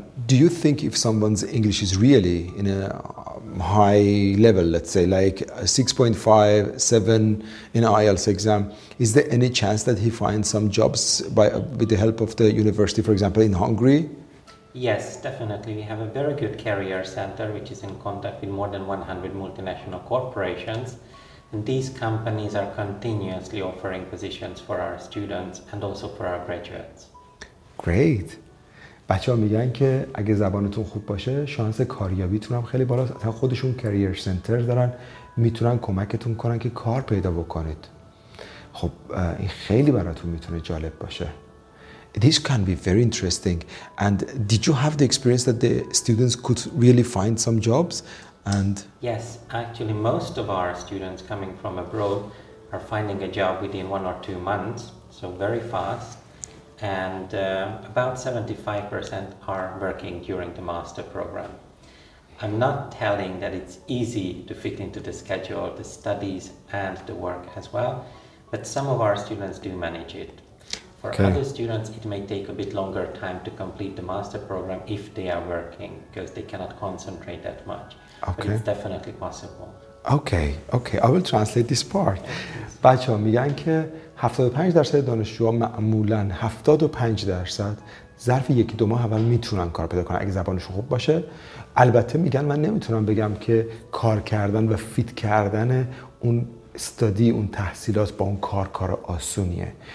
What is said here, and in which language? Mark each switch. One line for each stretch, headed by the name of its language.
English: Do you think if someone's English is really in a high level, let's say like 6.5, 7 in IELTS exam, is there any chance that he finds some jobs with the help of the university, for example, in Hungary? Yes, definitely. We have a very good career center which is in contact with more than 100 multinational corporations. And these companies are continuously offering positions for our students and also for our graduates. Great.
Persian: بچه‌ها میگن که اگه زبانتون خوب باشه شانس کاریابیتون هم خیلی بالاست. حتی خودشون کریر سنتر دارن، میتونن کمکتون کنن که کار پیدا بکنید. خب این خیلی براتون میتونه جالب باشه.
English: This can be very interesting. And did you have the experience that the students could really find some jobs? And yes, actually most of our students coming from abroad are finding a job within 1 or 2 months, so very fast, and about 75% are working during the master program. I'm not telling that it's easy to fit into the schedule, the studies and the work as well, but some of our students do manage it. For okay. other students, it may take a bit longer time to complete the master program if they are working, because they cannot concentrate that much. Okay. But it's definitely possible. Okay, okay. I will translate this part.
Persian: بچه‌ها میگن که 75% دانشجوها معمولاً 75% ظرف یک دو ماه اول میتونن کار پیدا کنن اگه زبانشون خوب باشه. البته میگن من نمیتونم بگم که کار کردن و فیت کردن اون استادی، اون تحصیلات با اون کار آسونیه.